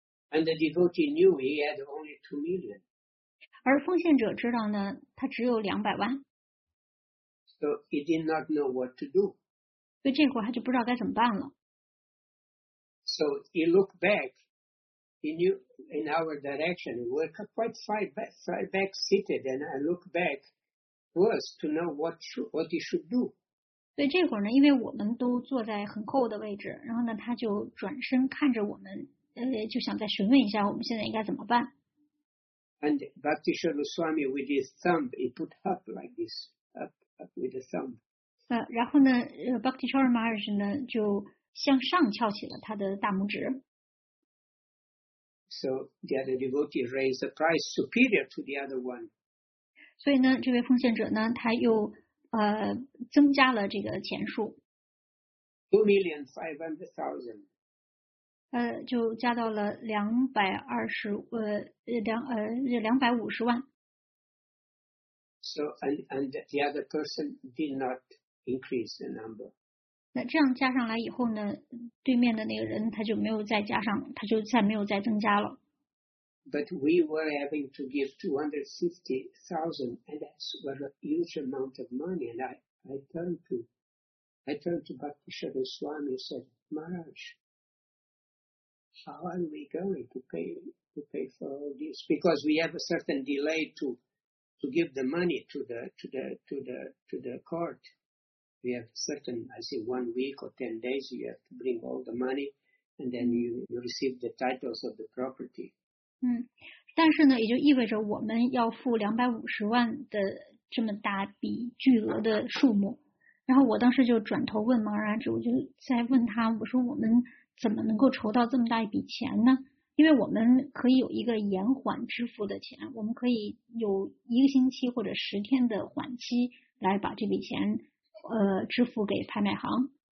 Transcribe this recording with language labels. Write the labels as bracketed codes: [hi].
[en] And the devotee knew he had only 2 million. [zh] 而奉献者知道呢，他只有200万。 [en] So he did not know what to do. [zh] 所以这会儿他就不知道该怎么办了。 [en] So he looked back. He knew in our direction. We're quite far back seated, and I looked back. Was to know what he should do. [zh] 所以这会儿呢，因为我们都坐在很后的位置，然后呢，他就转身看着我们，就想再询问一下我们现在应该怎么办。 [en] And Bhakti Sharma Swami with his thumb, he put up like this, up with the thumb. [zh] 然后呢 ，Bhakti Sharma Maharaj 呢就向上翘起了他的大拇指。 [en] So the other devotee raised the price superior to the other one. [zh] 所以呢，这位奉献者呢，他又增加了这个钱数。 [en] 2,500,000. [zh] 就加到了250万。 [en] So and the other person did not increase the number. [zh] 那这样加上来以后呢，对面的那个人他就没有再加上，他就再没有再增加了。 [en] But we were having to give 250,000, and that's what a huge amount of money. And I turned to Bhakti Sharma Swami and said, Maharaj, how are we going to pay for all this? Because we have a certain delay to give the money to the court. We have a certain, I say, 1 week or 10 days. You have to bring all the money, and then you receive the titles of the property. [zh] 嗯，但是呢，也就意味着我们要付250万的这么大笔巨额的数目。然后我当时就转头问茫然智，我就在问他，我说我们怎么能够筹到这么大一笔钱呢？因为我们可以有一个延缓支付的钱，我们可以有一个星期或者10天的缓期来把这笔钱支付给拍卖行。